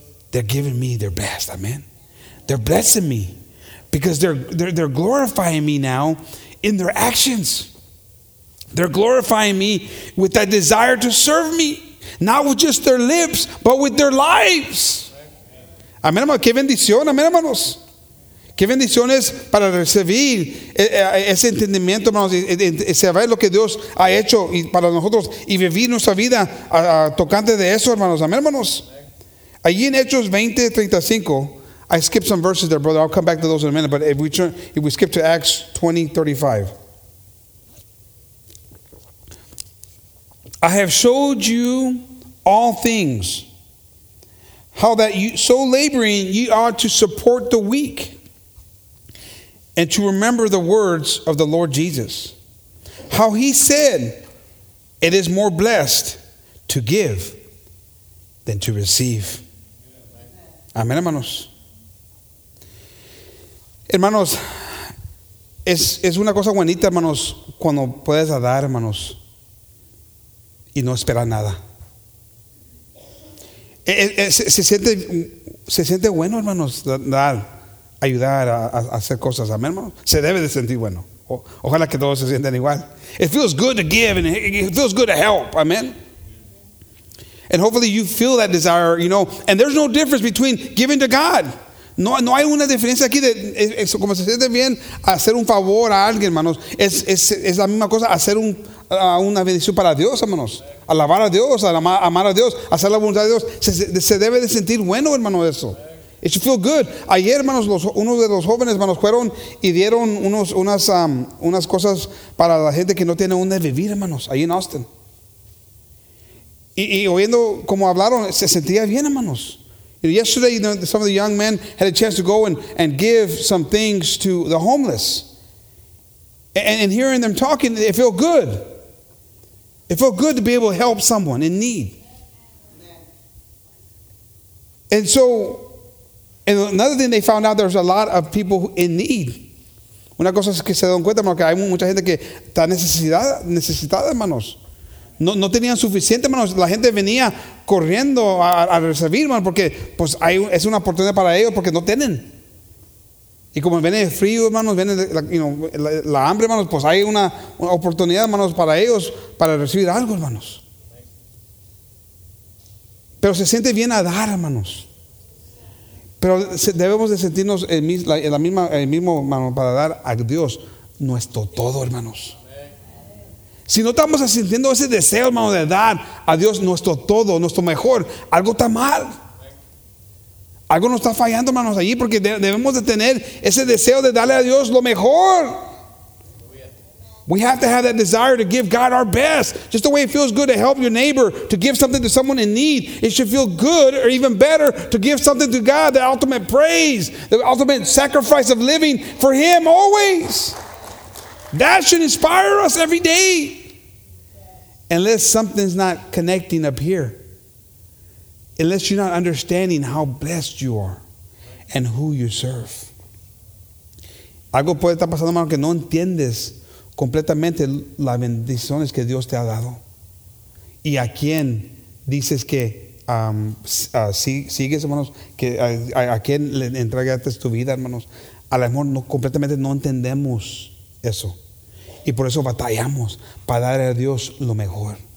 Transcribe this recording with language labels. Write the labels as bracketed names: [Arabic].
[English] They're giving me their best. Amen. They're blessing me. Because they're glorifying me now in their actions. They're glorifying me with that desire to serve me. Not with just their lips, but with their lives. [Spanish] Amén, hermanos. Qué bendición, amén, hermanos. Qué bendición es para recibir ese entendimiento, hermanos. Saber lo que Dios ha hecho para nosotros y vivir nuestra vida tocante de eso, hermanos. Amén, hermanos. Allí en Hechos 20:35, [English] I skipped some verses there, brother. I'll come back to those in a minute. But if we turn, if we skip to Acts 20:35, I have showed you all things, how that you, so laboring, ye ought to support the weak, and to remember the words of the Lord Jesus, how he said, it is more blessed to give than to receive. [Spanish] Amén, hermanos. Hermanos, es una cosa bonita, hermanos, cuando puedes dar, hermanos, y no esperar nada. Se siente bueno, hermanos, dar, ayudar a hacer cosas. Amén, hermanos. Se debe de sentir bueno. Ojalá que todos se sientan igual. [English] It feels good to give and it feels good to help. Amen. And hopefully you feel that desire, you know. And there's no difference between giving to God. [Spanish] No hay una diferencia aquí de es como se siente bien hacer un favor a alguien, hermanos. Es la misma cosa hacer una bendición para Dios, hermanos. Alabar a Dios, amar a Dios, hacer la voluntad de Dios. Se debe de sentir bueno, hermano, eso. [English] It should feel good. [Spanish] Ayer, hermanos, uno de los jóvenes, hermanos, fueron y dieron unas cosas para la gente que no tiene donde vivir, hermanos, ahí en Austin. Y oyendo como hablaron, se sentía bien, hermanos. [English] And yesterday, you know, some of the young men had a chance to go and give some things to the homeless. And hearing them talking, it felt good. It felt good to be able to help someone in need. And so, and another thing they found out, there's a lot of people in need. [Spanish] Una cosa es que se dan cuenta, hermanos, que hay mucha gente que está necesitada, hermanos. No tenían suficiente, hermanos. La gente venía corriendo a recibir, hermanos, porque pues hay, es una oportunidad para ellos porque no tienen. Y como viene el frío, hermanos, viene la hambre, hermanos, pues hay una oportunidad, hermanos, para ellos para recibir algo, hermanos. Pero se siente bien a dar, hermanos. Pero debemos de sentirnos el mismo, hermano, para dar a Dios nuestro todo, hermanos. Si no estamos sintiendo ese deseo, hermano, de dar a Dios nuestro todo, nuestro mejor, algo está mal. Algo nos está fallando, hermanos, allí, porque debemos de tener ese deseo de darle a Dios lo mejor. [English] We have to have that desire to give God our best. Just the way it feels good to help your neighbor, to give something to someone in need. It should feel good or even better to give something to God, the ultimate praise, the ultimate sacrifice of living for Him always. That should inspire us every day. Unless something's not connecting up here. Unless you're not understanding how blessed you are and who you serve. [Spanish] Algo puede estar pasando, hermano, que no entiendes completamente las bendiciones que Dios te ha dado. Y a quién dices que sigues, hermanos, que a quién le entregaste tu vida, hermanos. A lo mejor no, completamente no entendemos eso. Y por eso batallamos para dar a Dios lo mejor.